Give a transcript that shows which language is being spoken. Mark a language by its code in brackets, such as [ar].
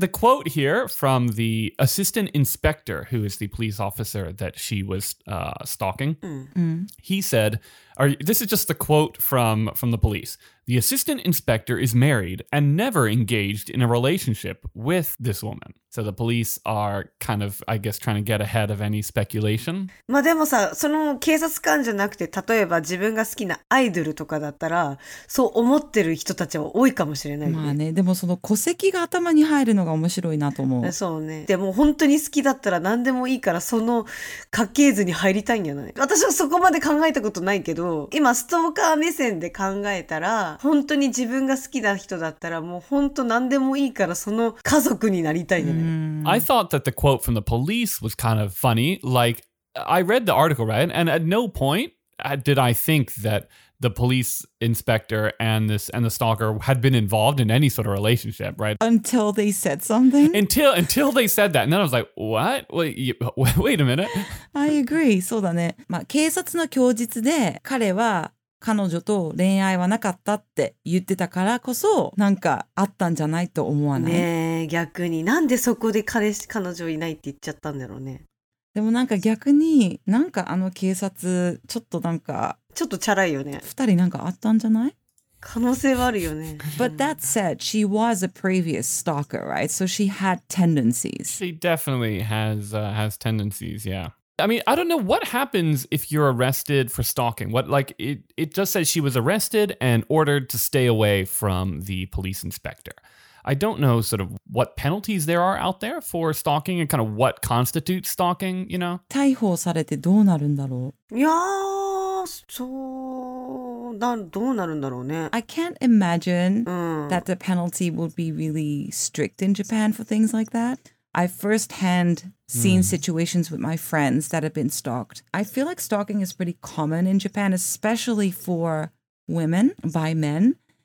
[en] The quote here from the assistant inspector, who is the police officer that she was stalking, he said, or this is just the quote from the police. The assistant inspector is married and never engaged in a relationship with this woman. So the police are kind of, I guess, trying to get ahead of any speculation. [ja] まあでもさ、その警察官じゃなくて、例えば自分が好きなアイドルとかだったら、そう思ってる人たちは多いかもしれない。まあね、でもその戸籍が頭に入るのが面白いなと思う。そうね。でも本当に好きだったら何でもいいから、その家系図に入りたいんじゃない？私はそこまで考えたことないけど、今ストーカー目線で考えたら、本当に自分が好きな人だったらもう本当何でもいいからその家族になりたいよね。 [en] I thought that the quote from the police was kind of funny. Like, I read the article, right? And at no point did I think that the police inspector and this and the stalker had been involved in any sort of relationship, right? Until they said something? Until they said that. And then I was like, what? Wait a minute. I agree. [ja] そうだね。まあ、警察の供述で彼は彼女と恋愛はなかったって言ってたからこそなんかあったんじゃないと思わない？ねえ、逆になんでそこで彼女いないって言っちゃったんだろうね。でもなんか逆になんかあの警察ちょっとなんかちょっとチャラいよね。二人なんかあったんじゃない？可能性はあるよね。 [en] But that said, she was a previous stalker, right? So she had tendencies. She definitely has tendencies, yeah. I mean, I don't know what happens if you're arrested for stalking. What, like, it just says she was arrested and ordered to stay away from the police inspector. I don't know sort of what penalties there are out there for stalking and kind of what constitutes stalking, you know? [ja] 逮捕されてどうなるんだろう? いやー、そう、どうなるんだろうね? [en] I can't imagine that the penalty would be really strict in Japan for things like that. I've firsthand seen situations with my friends that have been stalked. I feel like stalking is pretty common in Japan, especially for women by men.